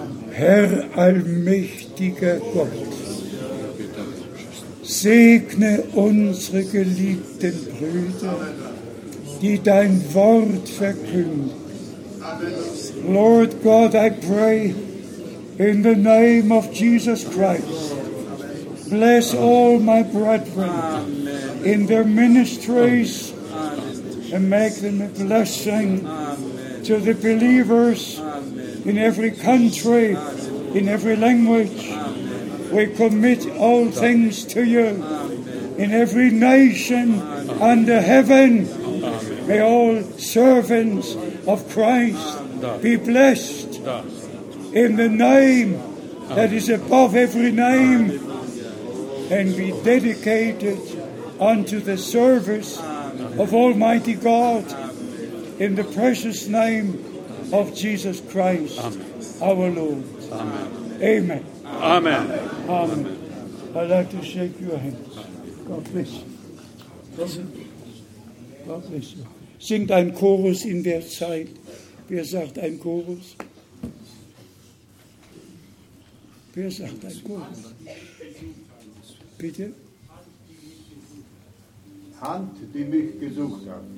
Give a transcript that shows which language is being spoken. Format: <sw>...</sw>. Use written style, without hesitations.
<de>Herr allmächtiger Gott, segne unsere geliebten Brüder, die dein Wort verkünden.</de> <en>Lord God, I pray in the name of Jesus Christ. Bless all my brethren in their ministries and make them a blessing to the believers in every country, in every language. We commit all things to you. In every nation under heaven, may all servants of Christ be blessed in the name that is above every name and be dedicated unto the service of Almighty God in the precious name of Jesus Christ, our Lord. Amen. Amen. Amen. I'd like to shake your hands. God bless you. God bless you.</en> <de>Singt ein Chorus in der Zeit. Wer sagt ein Chorus? Wer sagt ein Chorus? Bitte? Hand, die mich gesucht hat.</de>